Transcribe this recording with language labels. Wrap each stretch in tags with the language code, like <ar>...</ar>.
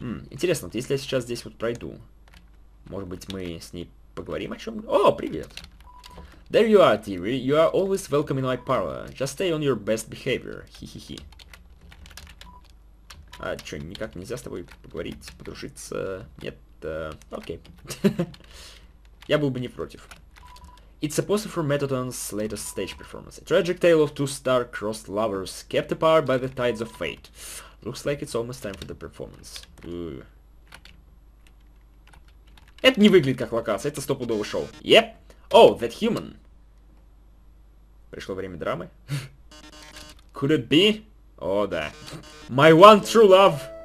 <ru>Интересно, вот если я сейчас здесь вот пройду, может быть, мы с ней поговорим о чем? О, привет!</ru> <en>There you are, TV. You are always welcome in my parlor. Just stay on your best behavior. Хи-хи-хи.</en> <ru>А чё, никак нельзя с тобой поговорить, подружиться? Нет? Окей. Я был бы не против.</ru> <en>It's a pose for Metatron's latest stage performance. A tragic tale of two star-crossed lovers kept apart by the tides of fate. Looks like it's almost time for the performance.</en> <ru>Это не выглядит как локация, это стопудово шоу.</ru> <en>Yep. Oh, that human.</en> <ru>Пришло время драмы.</ru> <en>Could it be?</en> <ru>О, да.</ru> <en>My one true love.</en>